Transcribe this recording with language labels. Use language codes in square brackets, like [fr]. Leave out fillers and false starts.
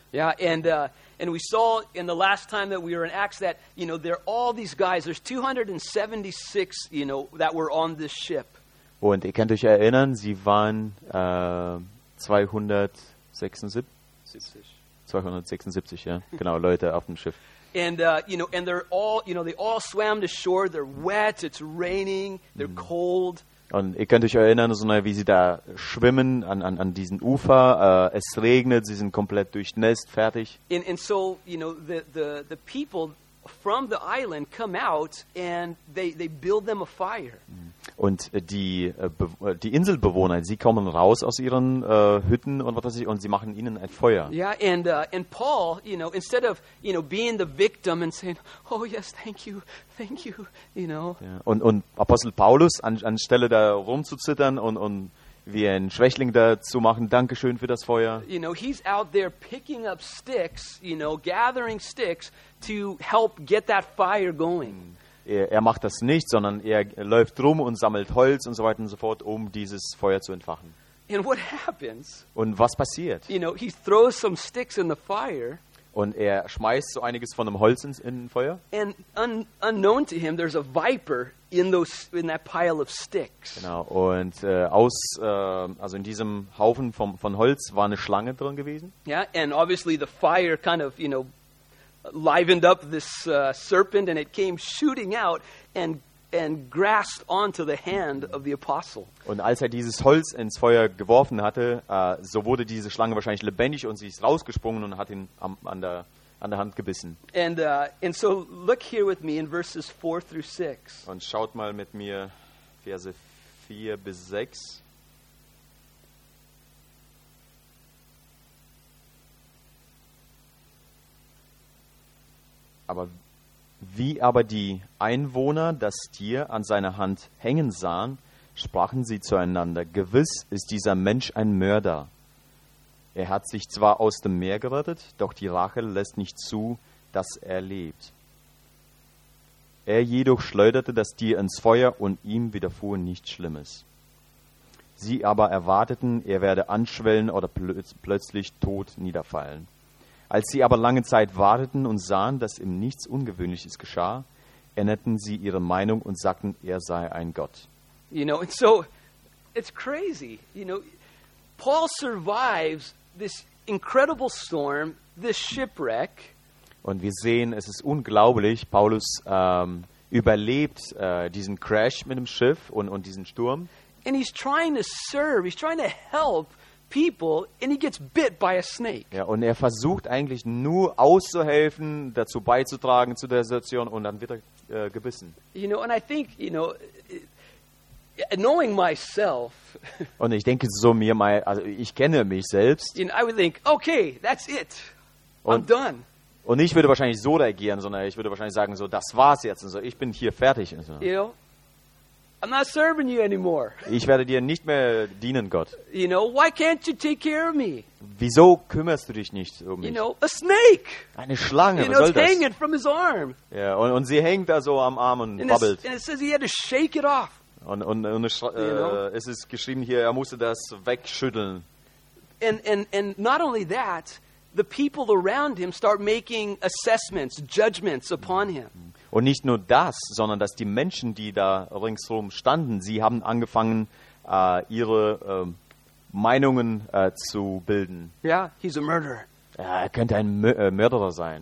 [en] Yeah, and we saw in the last time that we were in Acts that, you know, there are all these guys, there's 276, you know, that were on this ship. [de] Und ihr könnt euch erinnern, sie waren 276, ja, genau, Leute auf dem Schiff. [en] And you know, and they're all, you know, they all swam to shore. They're wet. It's raining. They're cold. [de] Und ihr könnt euch erinnern, so wie sie da schwimmen an diesem Ufer. Es regnet. Sie sind komplett durchnässt, fertig. [en] And so, you know, the people from the island come out and they build them a fire. [de] Und die Inselbewohner, sie kommen raus aus ihren Hütten und was weiß ich, und sie machen ihnen ein Feuer. [en] Yeah, and Paul, you know, instead of, you know, being the victim and saying, oh yes, thank you, you know. [de] Ja, und Apostel Paulus, anstelle da rumzuzittern und wie ein Schwächling da zu machen, Dankeschön für das Feuer. [en] You know, he's out there picking up sticks, you know, gathering sticks to help get that fire going. [de] Er macht das nicht, sondern er läuft rum und sammelt Holz und so weiter und so fort, um dieses Feuer zu entfachen. [en] And what happens? [de] Und was passiert? [en] You know, he throws some sticks in the fire. [de] Und er schmeißt so einiges von dem Holz in Feuer. [en] And unknown to him, there's a viper in that pile of sticks. [de] Genau. Und also in diesem Haufen von Holz war eine Schlange drin gewesen. [en] Yeah, and obviously the fire kind of, you know, livened up this serpent, and it came shooting out and grasped onto the hand of the apostle. [de] Und als er dieses Holz ins Feuer geworfen hatte, so wurde diese Schlange wahrscheinlich lebendig und sie ist rausgesprungen und hat ihn an der Hand gebissen. [en] And so look here with me in verses 4 through 6. [de] Und schaut mal mit mir Verse 4 bis 6. Aber wie aber die Einwohner das Tier an seiner Hand hängen sahen, sprachen sie zueinander: Gewiss ist dieser Mensch ein Mörder. Er hat sich zwar aus dem Meer gerettet, doch die Rache lässt nicht zu, dass er lebt. Er jedoch schleuderte das Tier ins Feuer und ihm widerfuhr nichts Schlimmes. Sie aber erwarteten, er werde anschwellen oder plötzlich tot niederfallen. Als sie aber lange Zeit warteten und sahen, dass ihm nichts Ungewöhnliches geschah, änderten sie ihre Meinung und sagten, er sei ein Gott. [en] You know, so it's crazy. You know, Paul survives this incredible storm, this shipwreck. [de] Und wir sehen, es ist unglaublich, Paulus überlebt diesen Crash mit dem Schiff und diesen Sturm. [en] And he's trying to serve, he's trying to help people, and he gets bit by a snake. [de] Ja, und er versucht eigentlich nur auszuhelfen, dazu beizutragen zu der Situation, und dann wird er gebissen. [en] You know, and I think, you know, knowing myself. [de] Und ich denke so mir mal, also ich kenne mich selbst. [en] You know, I would think, okay, that's it, I'm done. [de] Und ich würde wahrscheinlich so reagieren, sondern ich würde wahrscheinlich sagen so, das war's jetzt und so, ich bin hier fertig. Und so. [en] You know, I'm not serving you anymore. [de] Ich werde dir nicht mehr dienen, Gott. [en] You know, why can't you take care of me? [de] Wieso kümmerst du dich nicht um mich? [en] You know, a snake. [de] Eine Schlange, [en] you [de] was [en] know, [de] soll das? [en] Hanging from his arm. [de] Ja, und sie hängt da so am Arm und wabbelt. [en] And it says he had to shake it off. [de] Und es ist geschrieben hier, er musste das wegschütteln. [en] And not only that, the people around him start making assessments, judgments upon him. [de] Und nicht nur das, sondern dass die Menschen, die da ringsherum standen, sie haben angefangen, ihre Meinungen zu bilden. [en] Yeah, he's a murderer. [de] Er könnte ein Mörderer sein.